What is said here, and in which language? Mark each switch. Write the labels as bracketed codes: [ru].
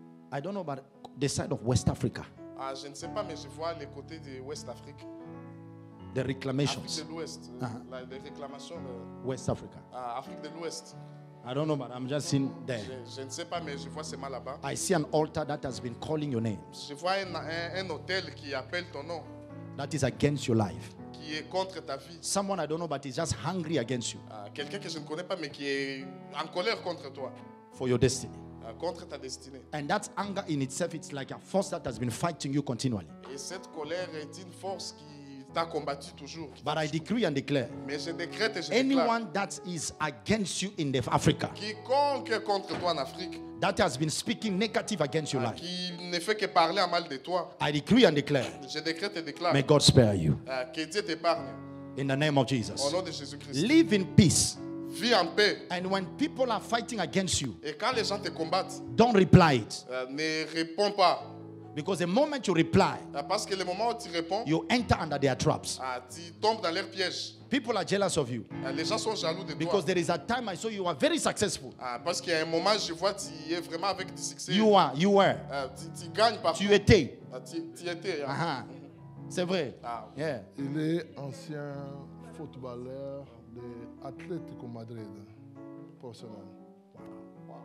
[en] I don't know about the side of West Africa. [fr] Je ne sais pas, mais je vois les côtés de [en] West Africa. The reclamations. [fr] Afrique de l'Ouest. Les réclamations. [en] West Africa. [fr] Afrique de l'Ouest. [en] I don't know, but I'm just seeing there. [fr] Je ne sais pas, mais je vois ces mains là-bas. [en] I see an altar that has been calling your name. [fr] Je vois un hôtel qui appelle ton nom. [en] That is against your life. [fr] Qui est contre ta vie. [en] Someone I don't know but is just hungry against you. [fr] Quelqu'un que je ne connais pas mais qui est en colère contre toi. [en] For your destiny. [fr] Contre ta destinée. [en] And that anger in itself it's like a force that has been fighting you continually. [fr] Et cette colère est une force qui t'a combattu toujours. [en] But I decree and declare. [fr] Mais je décrète et je [en] anyone [fr] déclare. [en] That is against you in Africa. [fr] Quiconque est contre toi en Afrique. [en] That has been speaking negative against your life. [fr] Qui ne fait que parler mal de toi. [en] I decree and declare. [fr] Je décrète et déclare. [en] May God spare you. [fr] Que Dieu t'épargne. [en] In the name of Jesus. [fr] Au nom de Jésus Christ. [en] Live in peace. [fr] Vis en paix. [en] And when people are fighting against you. [fr] Et quand les gens te combattent. [en] Don't reply it. [fr] Ne réponds pas. [en] Because the moment you reply. [fr] Parce que le moment où tu réponds. [en] You enter under their traps. [fr] Tu tombes dans leur piège. [en] People are jealous of you. [fr] Les gens sont jaloux de [en] because Because there is a time I saw you are very successful. [fr] Parce qu'il y a un moment je vois tu es vraiment avec du succès. [en] You were. [fr] Tu gagnes partout. Tu étais. Uh-huh. C'est vrai. [en] Yeah. [fr] Il est ancien footballeur de Atlético Madrid. Personnel. Wow.